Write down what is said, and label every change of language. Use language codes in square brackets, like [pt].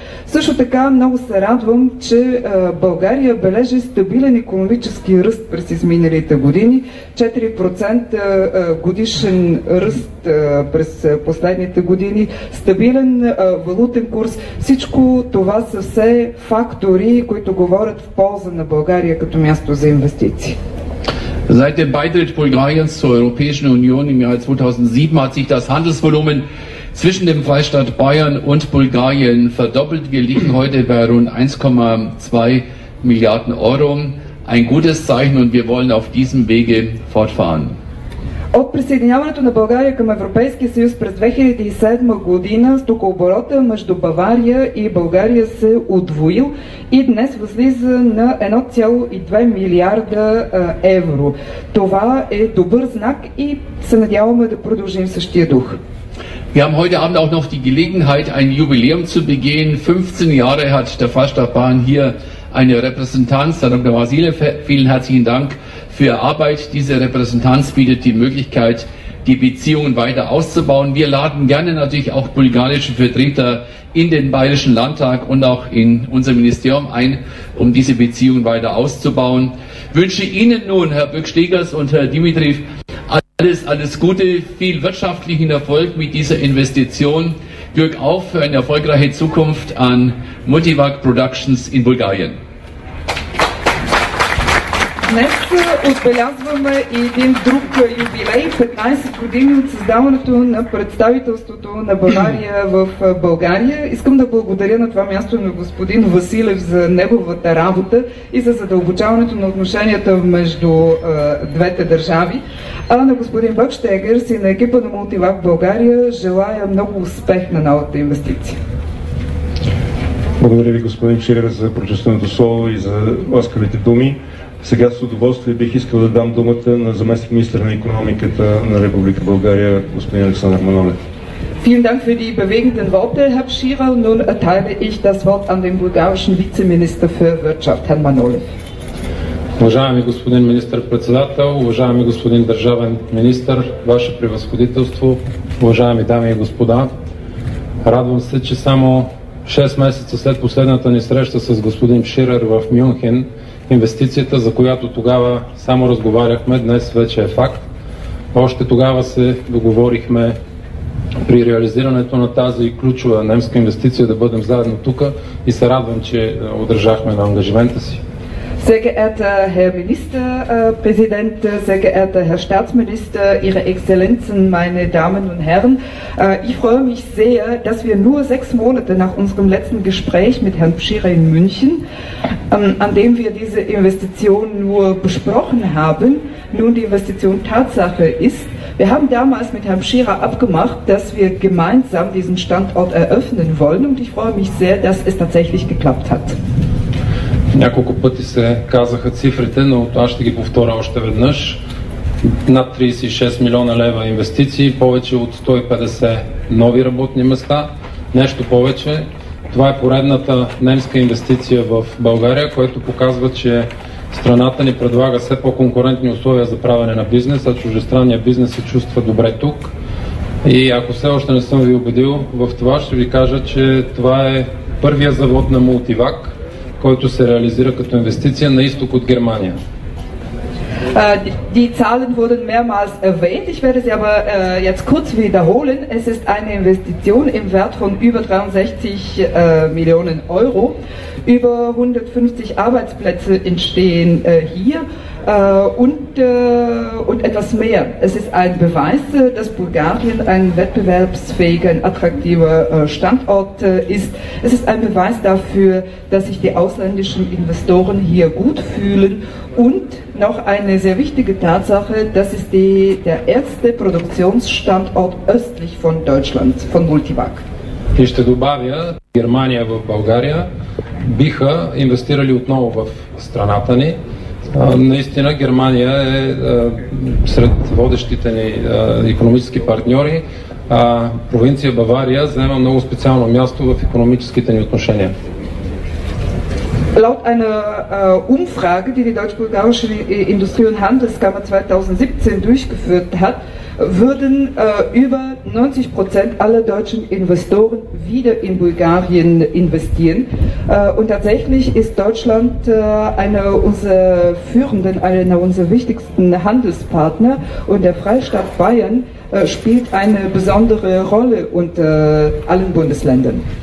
[bg] Също така много се радвам, че България бележи стабилен икономически ръст през изминалите години. 4% годишен ръст през последните години, стабилен валутен курс. Всичко това са все фактори, които говорят в полза на България като място за инвестиции. [de] Seit dem Beitritt Bulgariens zur Europäischen Union im Jahr 2007 hat sich das Handelsvolumen zwischen dem Freistaat Bayern und Bulgarien verdoppelt. Wir liegen heute bei rund 1,2 Milliarden Euro. Ein gutes Zeichen und wir wollen auf diesem Wege fortfahren. [bg] От присъединяването на България към Европейския съюз през 2007 година стокооборота между Бавария и България се удвоил и днес възлиза на 1,2 милиарда евро. Това е добър знак и се надяваме да продължим същия дух. [de] Wir haben heute Abend auch noch die Gelegenheit, ein Jubiläum zu begehen. 15 Jahre hat der Freistaat Bayern hier eine Repräsentanz. Herr Dr. Wasile, vielen herzlichen Dank für Ihre Arbeit. Diese Repräsentanz bietet die Möglichkeit, die Beziehungen weiter auszubauen. Wir laden gerne natürlich auch bulgarische Vertreter in den Bayerischen Landtag und auch in unser Ministerium ein, um diese Beziehungen weiter auszubauen. Ich wünsche Ihnen nun, Herr Böck-Stegers und Herr Dimitriev, alles Gute, viel wirtschaftlichen Erfolg mit dieser Investition. Glück auf für eine erfolgreiche Zukunft an Multivac Productions in Bulgarien. [bg] Днес отбелязваме и един друг юбилей, 15 години от създаването на представителството на Бавария в България. Искам да благодаря на това място на господин Василев за неговата работа и за задълбочаването на отношенията между двете държави. А на господин Бакштегърс и на екипа на Мултивак България желая много успех на новата инвестиция. Благодаря ви, господин Ширер, за прочувственото слово и за ласкавите думи. Сега с удоволствие бих искал да дам думата на заместник министър на икономиката на Република България, господин Александър Манолев. [de] Vielen Dank für die bewegenden Worte, Herr Schirer. Nun erteile ich das Wort an den bulgarischen Vizeminister für Wirtschaft, Herrn Manolev. [bg] Уважаеми господин министър-председател, уважаеми господин държавен министър, ваше превъзходителство, уважаеми дами и господа, радвам се, че само 6 месеца след последната ни среща с господин Ширер в Мюнхен, инвестицията, за която тогава само разговаряхме, днес вече е факт. Още тогава се договорихме при реализирането на тази ключова немска инвестиция да бъдем заедно тук и се радвам, че удържахме на ангажимента си. [de] Sehr geehrter Herr Ministerpräsident, sehr geehrter Herr Staatsminister, Ihre Exzellenzen, meine Damen und Herren, ich freue mich sehr, dass wir nur 6 Monate nach unserem letzten Gespräch mit Herrn Pschirra in München, an dem wir diese Investition nur besprochen haben, nun die Investition Tatsache ist. Wir haben damals mit Herrn Pschirra abgemacht, dass wir gemeinsam diesen Standort eröffnen wollen, und ich freue mich sehr, dass es tatsächlich geklappt hat. [bg] Няколко пъти се казаха цифрите, но аз ще ги повторя още веднъж. Над 36 милиона лева инвестиции, повече от 150 нови работни места. Нещо повече, това е поредната немска инвестиция в България, което показва, че страната ни предлага все по-конкурентни условия за правене на бизнес, а чуждестранният бизнес се чувства добре тук. И ако все още не съм ви убедил в това, ще ви кажа, че това е първия завод на Multivac, който се реализира като инвестиция на изток от Германия. [de] Die Zahlen wurden mehrmals erwähnt. Ich werde sie aber jetzt kurz wiederholen. Es ist eine Investition im Wert von über 63 Millionen Euro. Über 150 Arbeitsplätze entstehen hier und etwas mehr. Es ist ein Beweis, dass Bulgarien ein wettbewerbsfähiger, attraktiver Standort ist. Es ist ein Beweis dafür, dass sich die ausländischen Investoren hier gut fühlen. Und noch eine sehr wichtige Tatsache, das ist der erste Produktionsstandort östlich von Deutschland, von Multivac. [bg] И ще добавя, Германия в България биха инвестирали отново в страната ни. Наистина Германия е сред водещите ни икономически партньори, а провинция Бавария заема много специално място в икономическите ни отношения. [de] Laut einer Umfrage, die deutsch-bulgarische Industrie- und Handelskammer 2017 durchgeführt hat, würden über 90% aller deutschen Investoren wieder in Bulgarien investieren. Und tatsächlich ist Deutschland einer unserer wichtigsten Handelspartner, und der Freistaat Bayern spielt eine besondere Rolle unter allen Bundesländern.